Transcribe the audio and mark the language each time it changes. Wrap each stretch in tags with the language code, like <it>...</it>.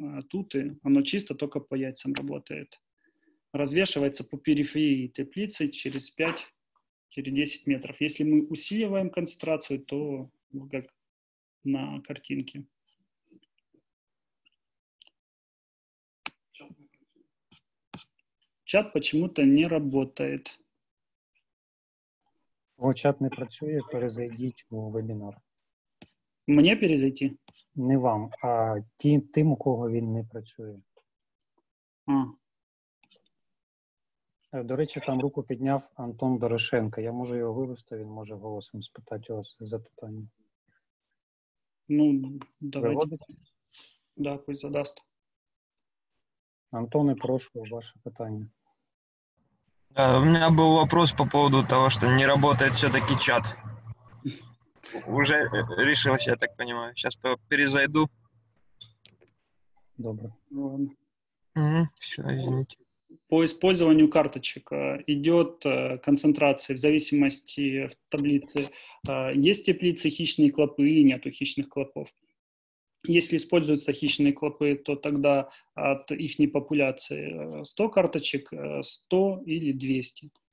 <ru>Тут и оно чисто только по яйцам работает. Развешивается по периферии теплицы через 5 через 10 метров. Если мы усиливаем концентрацию, то как на картинке. Чат почему-то не работает.</ru> <uk>О, чат не працює, перезайдіть у вебінар.</uk> <ru>Мне перезайти?</ru> <uk>Не вам, а тим, у кого він не працює. А. До речі, там руку підняв Антон Дорошенко. Я можу його вивести, він може голосом спитати у вас запитання.</uk> <ru>Ну, давайте. Виводить? Да, пусть задасть.</ru> <uk>Антон, я прошу ваше питання. У мене був</uk> <ru>вопрос по поводу того,</ru> <uk>що</uk> <ru>не работает все-таки чат. Уже решился, я так понимаю. Сейчас перезайду.</ru> <uk>Добре.</uk> <ru>Ну, все, извините. По использованию карточек идет концентрация в зависимости в таблице. Есть в теплице хищные клопы или нету хищных клопов. Если используются хищные клопы, то тогда от их популяции 100 карточек, 100 или 200.</ru>